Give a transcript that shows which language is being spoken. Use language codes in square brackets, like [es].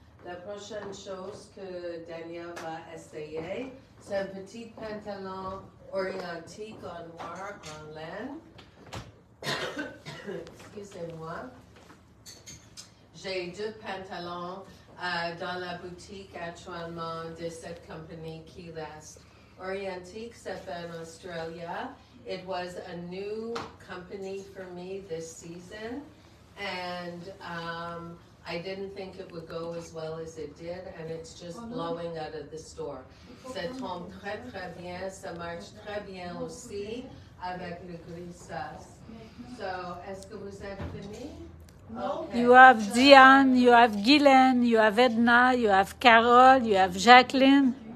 [fr] La prochaine chose que Danielle va essayer, c'est un petit pantalon orientique en noir en laine. Excusez-moi. J'ai deux pantalons dans la boutique actuellement de cette compagnie qui reste. Orientique, ça fait en Australie [en] It was a new company for me this season, and I didn't think it would go as well as it did, and it's just blowing out of the store. [fr] Ça tombe très très bien, ça marche très bien aussi avec le grisas. So, est-ce que vous êtes fini? [en] Okay. You have Diane, you have Guylaine, you have Edna, you have Carole, you have Jacqueline.